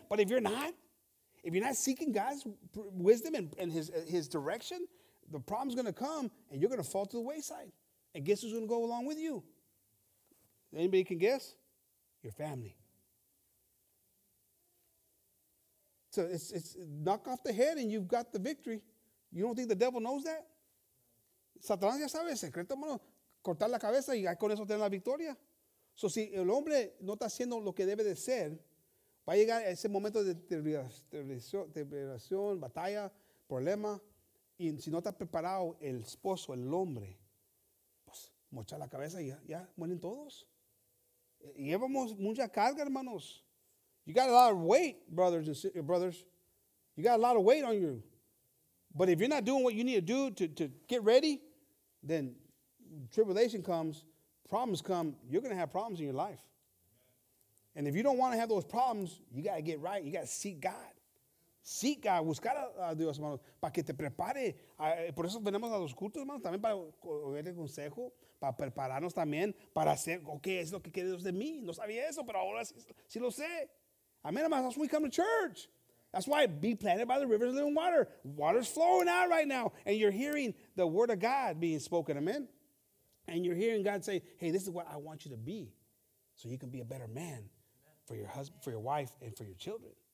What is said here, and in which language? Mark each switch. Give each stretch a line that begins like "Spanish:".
English: But if you're not, if you're not seeking God's wisdom and his direction, the problem's going to come, and you're going to fall to the wayside. And guess who's going to go along with you? Anybody can guess? Your family. So it's knock off the head, and you've got the victory. You don't think the devil knows that?
Spanish: Satanás ya sabe el secreto, hermano. Cortar la cabeza y con eso tener la victoria. So si el hombre no está haciendo lo que debe de ser, va a llegar ese momento de tribulación, batalla, problema. Y si no está preparado el esposo, el hombre, pues mocha la cabeza y ya mueren todos. Llevamos mucha carga, hermanos.
English: You got a lot of weight, brothers. You got a lot of weight on you. But if you're not doing what you need to do to get ready, then tribulation comes, problems come, you're going to have problems in your life. And if you don't want to have those problems, you got to get right. You got to seek God. Seek God.
Spanish: Buscar a Dios, hermanos, para que te prepare. Por eso venimos a los cultos, hermanos, también para oír el consejo, para prepararnos también, para hacer, ok, es lo que quiere Dios de mí. No sabía eso, pero ahora sí lo sé.
English: Amen, hermanos, that's why we come to church. That's why be planted by the rivers of living water. Water's flowing out right now, and you're hearing the word of God being spoken, amen? And you're hearing God say, hey, this is what I want you to be. So you can be a better man for your husband, for your wife, and for your children.